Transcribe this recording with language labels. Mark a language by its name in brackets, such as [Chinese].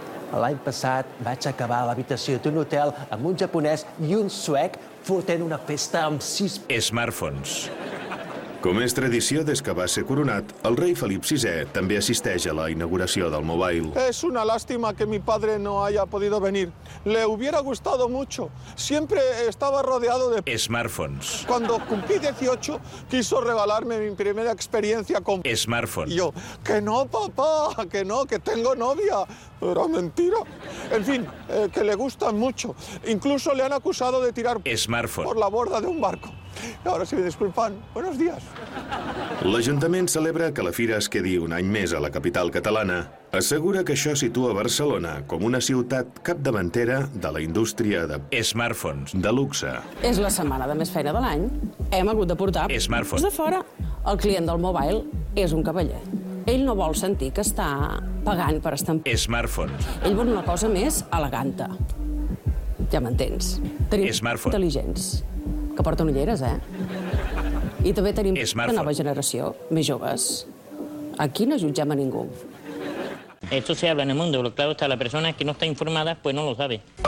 [Catalan] L'any passat vaig acabar a l'habitació d'un hotel amb un japonès i un suec fotent una festa amb 6 [English] smartphones. [Catalan] Com és tradició des que va ser coronat, el rei Felip VI també assisteix a la inauguració del Mobile. [Spanish] Es una lástima que mi padre no haya podido venir. Le hubiera gustado mucho. Siempre estaba rodeado de [English] smartphones. [Spanish] Cuando cumplí 18, quiso regalarme mi primera experiencia con [English] smartphones. [Spanish] Y yo, que no, papá, que no, que tengo novia. Era mentira. En fin, que le gustan mucho. Incluso le han acusado de tirar [English] smartphones [Spanish] por la borda de un barco. Ahora, si me disculpan, buenos días. [Catalan] L'Ajuntament celebra que la fira es quedi un any més a la capital catalana. Assegura que això situa Barcelona com una ciutat capdavantera de la indústria de [English] smartphones [Catalan] de luxe. És la setmana de més feina de l'any. Hem hagut de portar [English] smartphones [Catalan] de fora. El client del mobile és un cavaller. Ell no vol sentir que està pagant per estar amb [English] smartphones. [Catalan] Ell vol una cosa més eleganta. Ja m'entens. Tenim smartphones intel·ligents, que porten ulleres, eh? I també tenim [English] smartphone [Catalan] de nova generació, més joves. Aquí no jutgem a ningú. [Spanish] Esto se habla en el mundo, pero claro está, la persona que no está informada pues no lo sabe.